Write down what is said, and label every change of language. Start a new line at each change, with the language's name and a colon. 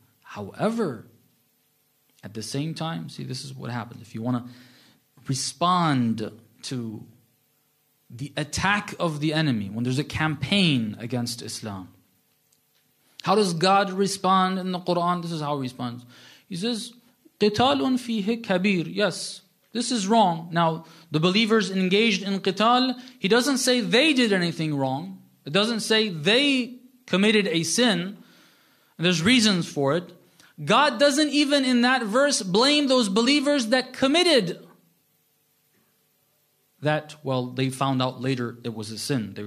English: However, at the same time, see, this is what happens. If you want to respond to the attack of the enemy, when there's a campaign against Islam, how does God respond in the Quran? This is how He responds. He says,
Arabic: قِتَالٌ فِيهِ كَبِيرٌ.
English: Yes, this is wrong. Now, the believers engaged in qital, He doesn't say they did anything wrong. It doesn't say they committed a sin. And there's reasons for it. God doesn't even in that verse blame those believers that committed that, well, they found out later it was a sin.